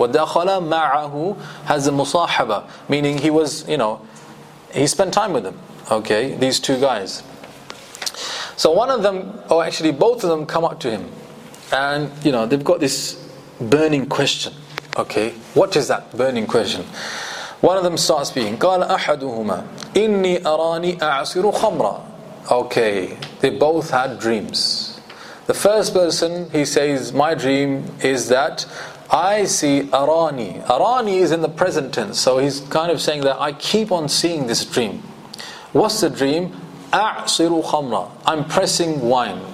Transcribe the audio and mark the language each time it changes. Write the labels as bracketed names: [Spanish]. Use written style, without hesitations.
[Arabic] وَدَخَلَ مَعَهُ [English] has a musahaba, meaning he was, you know, he spent time with them. Okay, these two guys. So one of them, or actually both of them, come up to him. And, you know, they've got this burning question. Okay, what is that burning question? One of them starts speaking. [Arabic] قَالَ أَحَدُهُمَا إِنِّي أَرَانِي أَعْصِرُ خَمْرًا. [English] Okay, they both had dreams. The first person, he says, my dream is that I see أَرَانِي. أَرَانِي is in the present tense. So he's kind of saying that I keep on seeing this dream. What's the dream? [Arabic] أَعْصِرُ خَمْرًا. [English] I'm pressing wine.